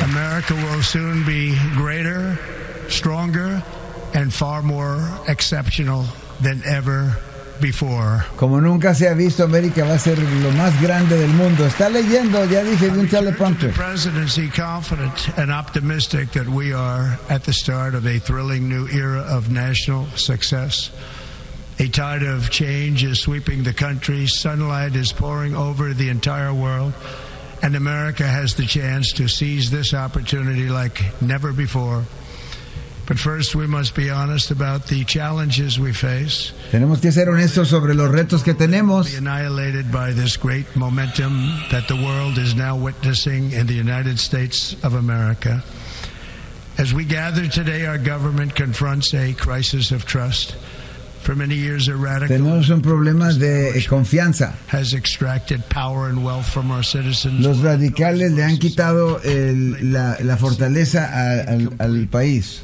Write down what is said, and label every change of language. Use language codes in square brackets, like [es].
[en] America will soon be greater, stronger, and far more exceptional than ever. [es] Como nunca se ha visto, América va a ser lo más grande del mundo. Está leyendo, ya dije, de un teleprompter. [en] The presidency confident and optimistic that we are at the start of a thrilling new era of national success. A tide of change is sweeping the country, sunlight is pouring over the entire world, and America has the chance to seize this opportunity like never before. But first, we must be honest about the challenges we face. [es] Tenemos que ser honestos sobre los retos que tenemos. [en] Be annihilated by this great momentum that the world is now witnessing in the United States of America. As we gather today, our government confronts a crisis of trust. For many years, a radical [es] tenemos un problema de confianza. [en] Has extracted power and wealth from our citizens. [es] Los radicales le han quitado la fortaleza al país.